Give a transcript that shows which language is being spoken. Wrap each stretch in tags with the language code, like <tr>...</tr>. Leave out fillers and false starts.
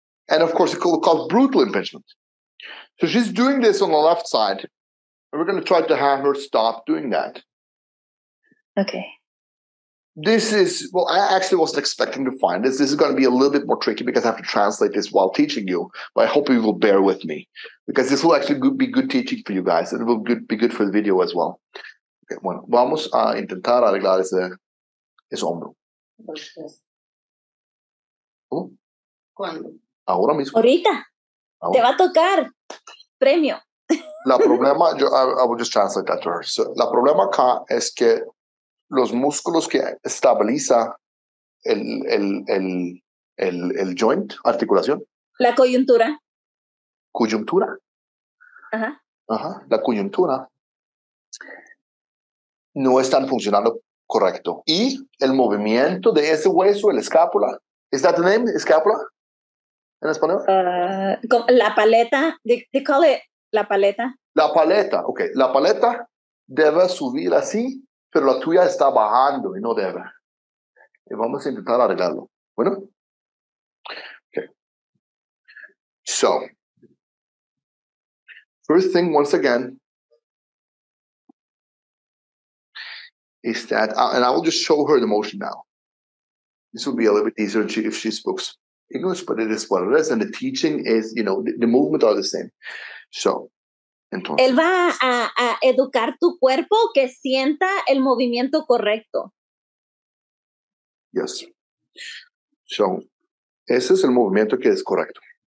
<en>And of course, it could cause brutal impingement. So she's doing this on the left side, and we're going to try to have her stop doing that. Okay. I actually wasn't expecting to find this. This is going to be a little bit more tricky because I have to translate this while teaching you, but I hope you will bear with me because this will actually be good teaching for you guys, and it will be good for the video as well.</en> <es>Okay, bueno, vamos a intentar arreglar ese hombro. ¿Cuándo? Ahora mismo. Ahorita. Ahora. Te va a tocar. Premio. La problema,</es> <en>I will just translate that to her.</en> <es>So, la problema acá es que los músculos que estabiliza el</es> <en>joint,</en> <es>articulación. La coyuntura. Coyuntura. Ajá. Ajá. La coyuntura no están funcionando correcto. Y el movimiento de ese hueso, el escápula. ¿Es</es> <en>that the name,</en> <es>escápula? ¿En español? La paleta.</es> <en>They call it</en> <es>la paleta. La paleta. Ok. La paleta debe subir así, pero la tuya está bajando y no debe. Y vamos a intentar arreglarlo. ¿Bueno? Ok.</es> <en>So, first thing, once again, is that, and I will just show her the motion now. This will be a little bit easier if she speaks English, but it is what it is. And the teaching is, you know, the movement are the same.</en> <es>So, entonces. Él va a educar tu cuerpo que sienta el movimiento correcto.</es> <en>Yes.</en> <es>So, ese es el movimiento que es correcto.</es>